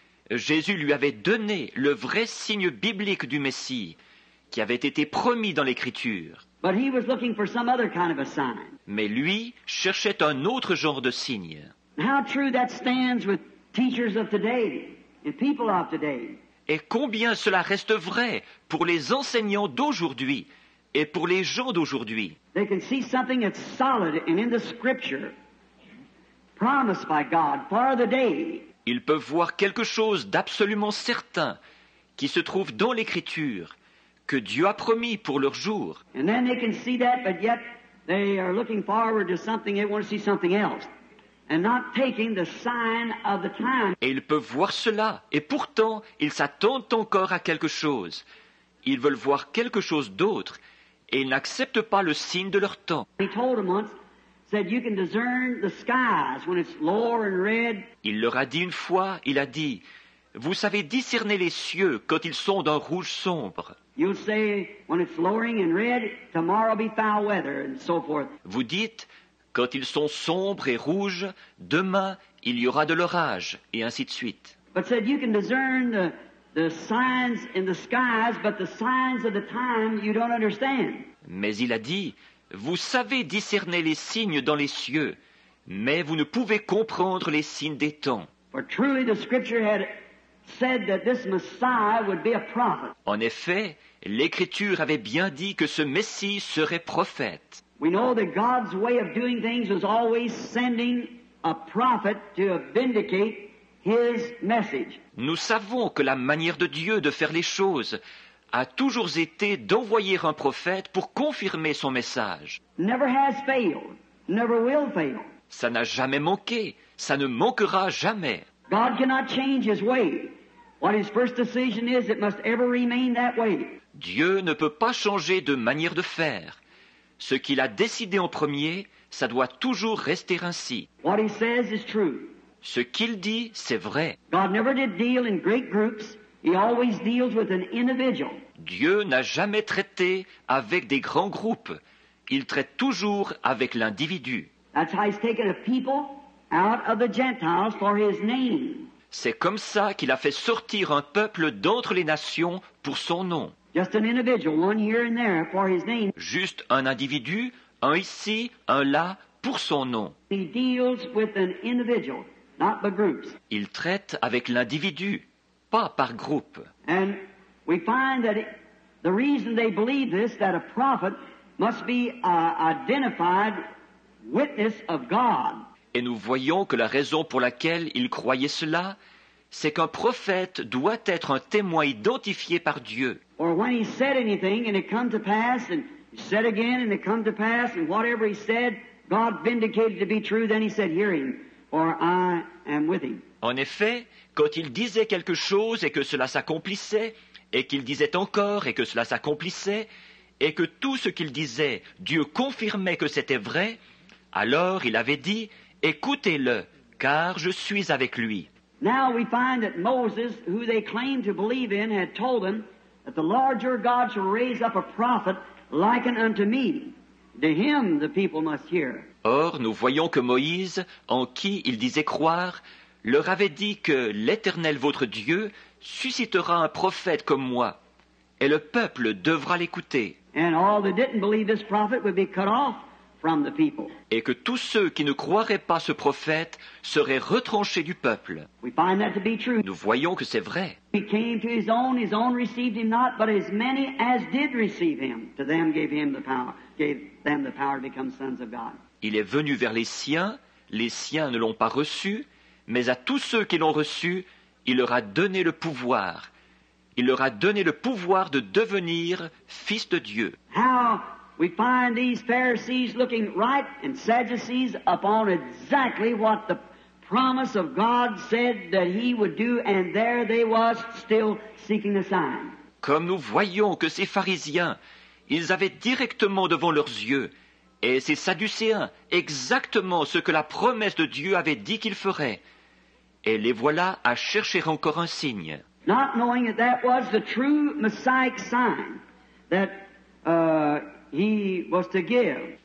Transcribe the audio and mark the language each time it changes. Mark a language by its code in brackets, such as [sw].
[fr] Jésus lui avait donné le vrai signe biblique du Messie qui avait été promis dans l'Écriture. [en] But he was looking for some other kind of a sign. [fr] Mais lui cherchait un autre genre de signe. [en] How true that stands with teachers of today and people of today. [fr] Et combien cela reste vrai pour les enseignants d'aujourd'hui et pour les gens d'aujourd'hui. [en] They can see something that's solid and in the scripture promised by God for the day. [fr] Ils peuvent voir quelque chose d'absolument certain qui se trouve dans l'Écriture que Dieu a promis pour leur jour. [en] And then they can see that, but yet they are looking forward to something, they want to see something else. And not taking the sign of the time. [fr] Et ils peuvent voir cela, et pourtant ils s'attendent encore à quelque chose. Ils veulent voir quelque chose d'autre, et ils n'acceptent pas le signe de leur temps. [en] He told them once, said you can discern the skies when it's lower and red. [fr] Il leur a dit une fois, il a dit, vous savez discerner les cieux quand ils sont d'un rouge sombre. [en] You'll say when it's lowering and red, tomorrow be foul weather and so forth. [fr] Vous dites. Quand ils sont sombres et rouges, demain il y aura de l'orage, et ainsi de suite. [en] But said you can discern the signs in the skies, but the signs of the time you don't understand. [fr] Mais il a dit, vous savez discerner les signes dans les cieux, mais vous ne pouvez comprendre les signes des temps. [en] For truly the scripture had said that this Messiah would be a prophet. [fr] En effet, l'Écriture avait bien dit que ce Messie serait prophète. [en] We know that God's way of doing things is always sending a prophet to vindicate his message. [fr] Nous savons que la manière de Dieu de faire les choses a toujours été d'envoyer un prophète pour confirmer son message. [en] Never has failed, never will fail. [fr] Ça n'a jamais manqué, ça ne manquera jamais. [en] God cannot change his way. What his first decision is, it must ever remain that way. [fr] Dieu ne peut pas changer de manière de faire. Ce qu'il a décidé en premier, ça doit toujours rester ainsi. [en] What he says is true. [fr] Ce qu'il dit, c'est vrai. [en] God never did deal in great groups. He always deals with an individual. [fr] Dieu n'a jamais traité avec des grands groupes. Il traite toujours avec l'individu. [en] That's how he's taken a people out of the Gentiles for his name. [fr] C'est comme ça qu'il a fait sortir un peuple d'entre les nations pour son nom. [en] Just an individual, one here and there for his name. [fr] Juste un individu, un ici, un là, pour son nom. [en] He deals with an individual, not by groups. [fr] Il traite avec l'individu, pas par groupe. [en] And we find that the reason they believe this, that a prophet must be an identified witness of God. [fr] Et nous voyons que la raison pour laquelle ils croyaient cela, c'est qu'un prophète doit être un témoin identifié par Dieu. [en] Or when he said anything and it come to pass, and he said again and it come to pass, and whatever he said, God vindicated to be true, then he said, hear him, or I am with him. [fr] En effet, quand il disait quelque chose et que cela s'accomplissait, et qu'il disait encore et que cela s'accomplissait, et que tout ce qu'il disait, Dieu confirmait que c'était vrai, alors il avait dit, écoutez-le, car je suis avec lui. [en] Now we find that Moses, who they claimed to believe in, had told them that the Lord your God shall raise up a prophet like unto me. To him the people must hear. [fr] Or, nous voyons que Moïse, en qui ils disaient croire, leur avait dit que l'Éternel votre Dieu suscitera un prophète comme moi, et le peuple devra l'écouter. [en] And all that didn't believe this prophet would be cut off. From the people. [fr] Et que tous ceux qui ne croiraient pas ce prophète seraient retranchés du peuple. [en] We find that to be true. [fr] Nous voyons que c'est vrai. [en] He came to his own received him not, but as many as did receive him, to them gave him the power. gave them the power to become sons of God. [fr] Il est venu vers les siens ne l'ont pas reçu, mais à tous ceux qui l'ont reçu, il leur a donné le pouvoir. Il leur a donné le pouvoir de devenir fils de Dieu. [en] How we find these Pharisees looking right and Sadducees upon exactly what the promise of God said that he would do, and there they was still seeking a sign. [fr] Comme nous voyons que ces pharisiens, ils avaient directement devant leurs yeux, et ces sadducéens, exactement ce que la promesse de Dieu avait dit qu'ils feraient. Et les voilà à chercher encore un signe. [en] Not knowing that that was the true Messiah sign that he was to give.